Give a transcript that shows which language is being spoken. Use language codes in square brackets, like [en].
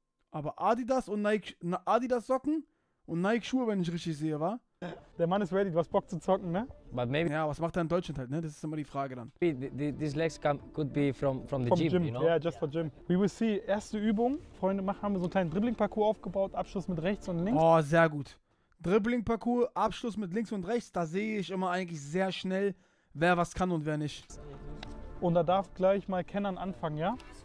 [de] Aber Adidas und Nike, Adidas Socken und Nike Schuhe, wenn ich richtig sehe, wa? Der Mann ist ready, du hast Bock zu zocken, ne? [en] But maybe [de] ja, was macht er in Deutschland halt, ne? Das ist immer die Frage dann. [en] These legs could be from the gym, you know? Yeah, just for gym. We will see. [de] Erste Übung. Freunde, haben wir so einen kleinen Dribbling-Parcours aufgebaut. Abschluss mit rechts und links. Oh, sehr gut. Dribbling-Parcours, Abschluss mit links und rechts. Da sehe ich immer eigentlich sehr schnell, wer was kann und wer nicht. Und da darf gleich mal Kennern anfangen, ja?